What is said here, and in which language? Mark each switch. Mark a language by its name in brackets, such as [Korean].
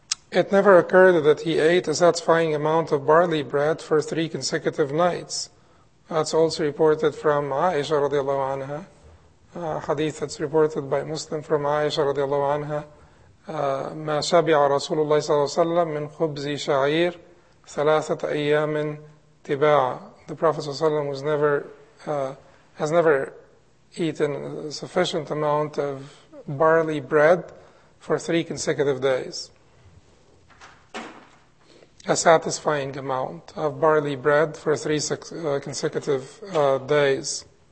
[English] It never occurred that he ate a satisfying amount of barley bread for three consecutive nights. That's also reported from Aisha radiallahu anha. Hadith that's reported by Muslim from Aisha radiallahu anha. [Arabic] ما شبع رسول الله صلى الله عليه وسلم من خبز شعير ثلاثة أيام تباع. [English] The Prophet ﷺ has never eaten a sufficient amount of barley bread for three consecutive days. A satisfying amount of barley bread for three consecutive days.